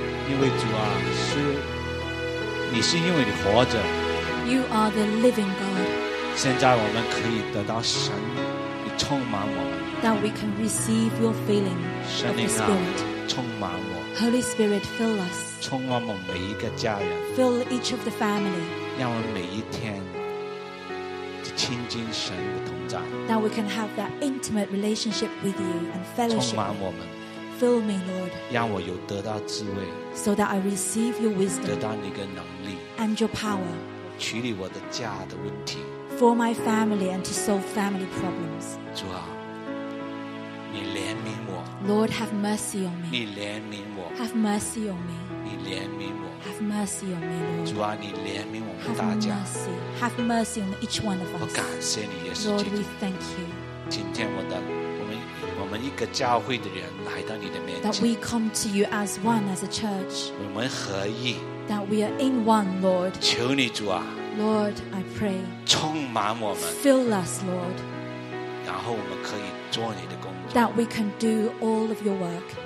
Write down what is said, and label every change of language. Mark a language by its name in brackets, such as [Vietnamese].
[Chinese] 因为主啊，是你是因为你活着。 [English] You are the living God. [Chinese] 现在我们可以得到神，你充满我。 [English] That we can receive your filling of the Spirit. [Chinese] 充满我。 [English] Holy Spirit, fill us. [Chinese] 充满我每一个家人。 [English] Fill each of the family. [Chinese] 让我们每一天。亲近神的同在。 [English] Now we can have that intimate relationship with you and fellowship. [Chinese] 充满我们。 [English] Fill me, Lord. [Chinese] 让我有得到智慧。 [English] So that I receive your wisdom. [Chinese] 得到你的能力。 [English] And your power. [Chinese] 处理我的家的问题。 [English] For my family and to solve family problems. [Chinese] 主啊，你怜悯我。 [English] Lord, have mercy on me. [Chinese] 你怜悯我。 [English] Have mercy on me. [Chinese] 怜悯我 [English] Have mercy on me, Lord. [Chinese] 主啊，你怜悯我们大家。 [English] Have mercy on each one of us. [Chinese] 我感谢你，耶稣基 [English] 督。Lord, we thank you. [Chinese] 今天我们一个教会的人来到你的面前。 [English] That we come to you as one, as a church. [Chinese] 我们合一。 [English] That we are in one, Lord. [Chinese] 求你，主啊。 [English] Lord, I pray. [Chinese] 充满我们。 [English] Fill us, Lord. [Chinese] 然后我们可以做你的工作。 [English] That we can do all of your work.